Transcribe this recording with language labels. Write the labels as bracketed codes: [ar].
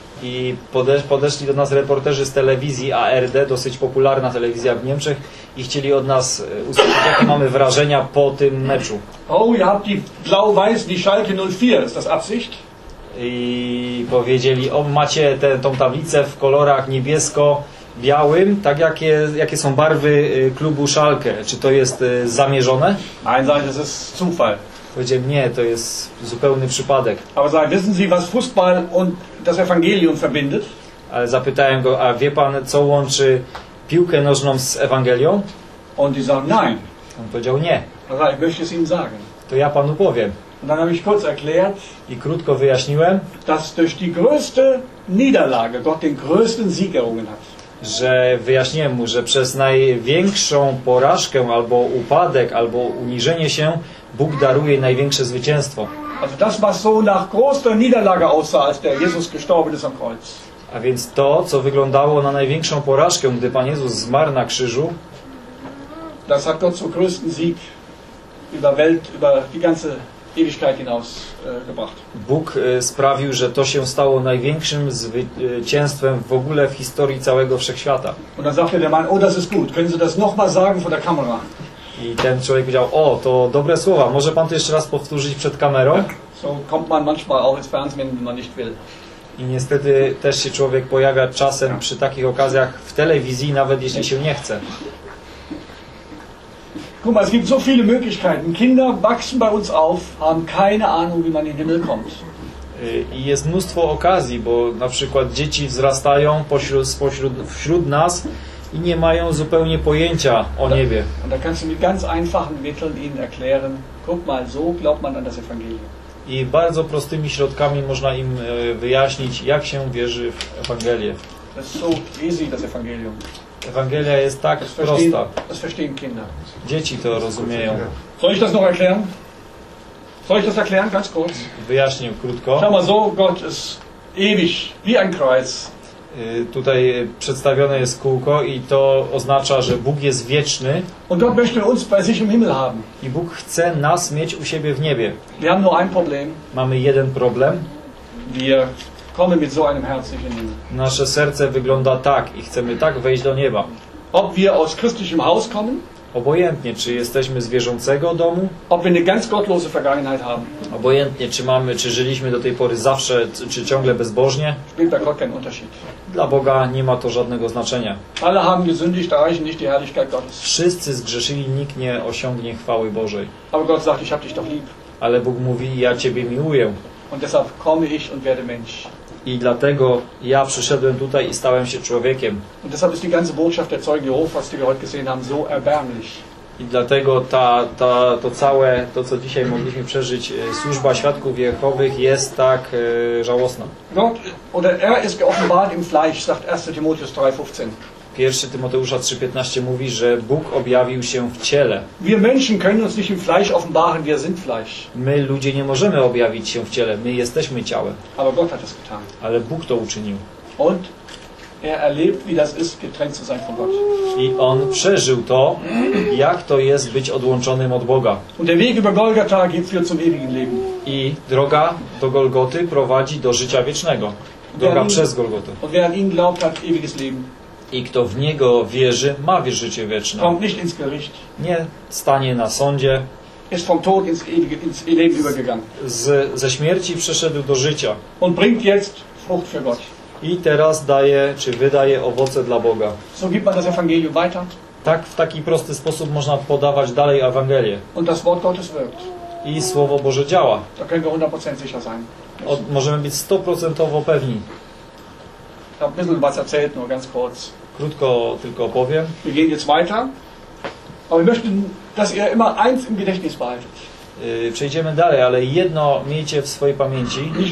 [pl] I podeszli do nas reporterzy z telewizji ARD, dosyć popularna telewizja w Niemczech, i chcieli od nas usłyszeć, jakie mamy wrażenia po tym meczu. [de] Oh, ihr habt die blau-weiß, die Schalke 04, ist das Absicht? [pl] I powiedzieli, o, macie tą tablicę w kolorach niebiesko-białym, tak jakie są barwy klubu Schalke. Czy to jest zamierzone? [de] Nein, sage ich, das ist Zufall. [pl] Powiedziałem, nie, to jest zupełny przypadek. [de] Aber sage, wissen Sie, was Fußball und das Evangelium verbindet? [pl] Ale zapytałem go, a wie pan, co łączy piłkę nożną z Ewangelią? [de] Und ich sage, nein. [pl] On powiedział, nie. [de] Aber ich möchte es Ihnen sagen. [pl] To ja panu powiem. [de] Und dann habe ich kurz erklärt, [pl] i krótko wyjaśniłem, [de] dass durch die größte Niederlage Gott den größten Sieg errungen hat. [pl] Że wyjaśniłem mu, że przez największą porażkę albo upadek albo uniżenie się Bóg daruje największe zwycięstwo. [de] Also das, was so nach großer Niederlage aussah, als der Jesus gestorben ist am Kreuz. [pl] A więc to, co wyglądało na największą porażkę, gdy Pan Jezus zmarł na krzyżu, [de] das hat Gott zum größten Sieg über Welt, über die ganze Ewigkeit hinaus gebracht. [pl] Bóg sprawił, że to się stało największym zwycięstwem w ogóle w historii całego wszechświata. [de] Und dann sagte der Mann, oh, das ist gut. Können Sie das noch mal sagen vor der Kamera? [pl] I ten człowiek powiedział, o, to dobre słowa. Może pan to jeszcze raz powtórzyć przed kamerą? [de] So kommt man manchmal auch ins Fernsehen, wenn man nicht will. [pl] I niestety też się człowiek pojawia czasem przy takich okazjach w telewizji, nawet jeśli się nie chce. [de] Guck mal, es gibt so viele Möglichkeiten. Kinder wachsen bei uns auf, haben keine Ahnung, wie man in den Himmel kommt. [pl] I jest mnóstwo okazji, bo na przykład dzieci wzrastają wśród nas i nie mają zupełnie pojęcia o niebie. [de] Und da kannst du mit ganz einfachen Mitteln ihnen erklären, guck mal, so glaubt man an das Evangelium. [pl] I bardzo prostymi środkami można im wyjaśnić, jak się wierzy w Ewangelię. [de] Das ist so easy, das Evangelium. [pl] Ewangelia jest tak prosta. [de] Das verstehen Kinder. [pl] Dzieci to rozumieją. [de] Soll ich das noch erklären? Soll ich das erklären ganz kurz? [pl] Wyjaśnię krótko. [de] Schau mal, so Gott ist ewig wie ein Kreuz. [pl] Tutaj przedstawione jest kółko i to oznacza, że Bóg jest wieczny. [de] Und Gott möchte uns bei sich im Himmel haben. [pl] I Bóg chce nas mieć u siebie w niebie. [de] Wir haben nur ein Problem. [pl] Mamy jeden problem. [de] Wir kommen mit so einem Herzen in den Himmel. [pl] Nasze serce wygląda tak i chcemy tak wejść do nieba. [de] Ob wir aus christlichem Haus kommen? [pl] Obojętnie, czy jesteśmy z wierzącego domu? [de] Ob wir eine ganz gottlose Vergangenheit haben? [pl] Obojętnie, czy żyliśmy do tej pory zawsze, czy ciągle bezbożnie? [de] Spielt da gar keinen Unterschied. [pl] Dla Boga nie ma to żadnego znaczenia. [de] Alle haben gesündigt, erreichen nicht die Herrlichkeit Gottes. [pl] Wszyscy zgrzeszyli, nikt nie osiągnie chwały Bożej. [de] Aber Gott sagt, ich hab dich doch lieb. [pl] Ale Bóg mówi, ja ciebie miłuję. [de] Und deshalb komme ich und werde Mensch. [pl] I dlatego ja przyszedłem tutaj i stałem się człowiekiem. [de] Und deshalb ist die ganze Botschaft der Zeugen Jehovas, die wir heute gesehen haben, so erbärmlich. [pl] I dlatego to całe, to co dzisiaj mogliśmy przeżyć, służba świadków Jehowych jest tak żałosna. [de] Gott, oder er ist geoffenbart im Fleisch, sagt 1. Timotheus 3,15. [pl] 1 Tymoteusza 3:15 mówi, że Bóg objawił się w ciele. [de] Wir Menschen können uns nicht im Fleisch offenbaren, wir sind Fleisch. [pl] My ludzie nie możemy objawić się w ciele, my jesteśmy ciałem. [de] Aber Gott hat das getan. [pl] Ale Bóg to uczynił. [de] Und er erlebt, wie das ist, getrennt zu sein von Gott. [pl] I on przeżył to, jak to jest być odłączonym od Boga. [de] Und der Weg über Golgatha geht für zum ewigen Leben. [pl] I droga do Golgoty prowadzi do życia wiecznego. Droga przez Golgotę. [de] Und wer an ihn glaubt, hat ewiges Leben. [pl] I kto w Niego wierzy, ma życie wieczne. [de] Kommt nicht ins Gericht. [pl] Nie stanie na sądzie. [de] Ist vom Tod ins ewige, ins Leben übergegangen. [pl] Ze śmierci przeszedł do życia. [de] Und bringt jetzt Frucht für Gott. [pl] I teraz daje, czy wydaje owoce dla Boga. [de] So gibt man das Evangelium weiter. [pl] Tak, w taki prosty sposób można podawać dalej Ewangelię. [de] Und das Wort Gottes wirkt. [pl] I Słowo Boże działa. [de] Da können wir 100% sicher sein. [pl] Możemy być 100% pewni. [de] Ich habe ein bisschen was erzählt, nur ganz kurz. [pl] Krótko tylko opowiem. [de] Wir gehen jetzt weiter. Aber wir möchten, dass ihr immer eins im Gedächtnis behaltet. [pl] Przejdziemy dalej, ale jedno miejcie w swojej pamięci.